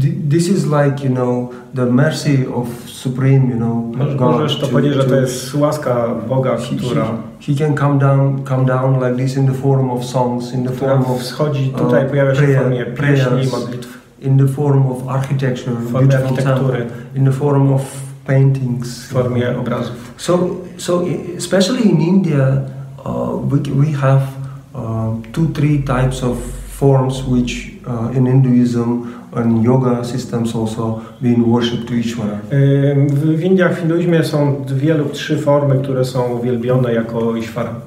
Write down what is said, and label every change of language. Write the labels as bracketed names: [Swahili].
[English] This is like, you know, the mercy of Supreme, you know. [Polish] Możesz to powiedzieć, że to jest łaska Boga, która [English] he can come down like this in the form of songs, in the form of [Polish] wschodzi tutaj pojawia się prayer, w formie pieśni i modlitw, [English] in the form of architecture, [Polish] architektury, [English] in the form of paintings, [Polish] w formie obrazów. [English] So especially in India we have two three types of forms which in Hinduism and yoga systems also being worshipped to Ishwara. [Polish] W Indiach, w hinduizmie są dwie lub trzy formy, które są uwielbione jako Ishwara.